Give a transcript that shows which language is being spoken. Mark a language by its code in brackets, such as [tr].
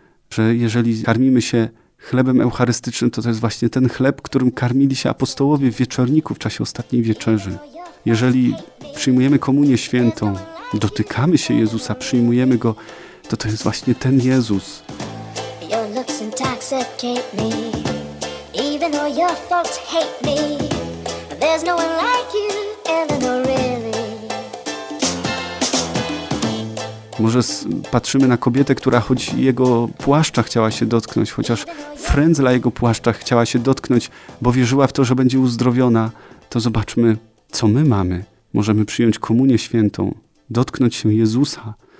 [pl] Że jeżeli karmimy się chlebem eucharystycznym, to jest właśnie ten chleb, którym karmili się apostołowie w wieczorniku w czasie ostatniej wieczerzy. Jeżeli przyjmujemy komunię świętą, dotykamy się Jezusa, przyjmujemy Go, to jest właśnie ten Jezus. [en] Your looks intoxicate me, even though your folks hate me. There's no one like you, Eleanor, really. [pl] Może patrzymy na kobietę, która choć jego płaszcza chciała się dotknąć, chociaż frędzla jego płaszcza chciała się dotknąć, bo wierzyła w to, że będzie uzdrowiona, to zobaczmy, co my mamy. Możemy przyjąć komunię świętą, dotknąć się Jezusa.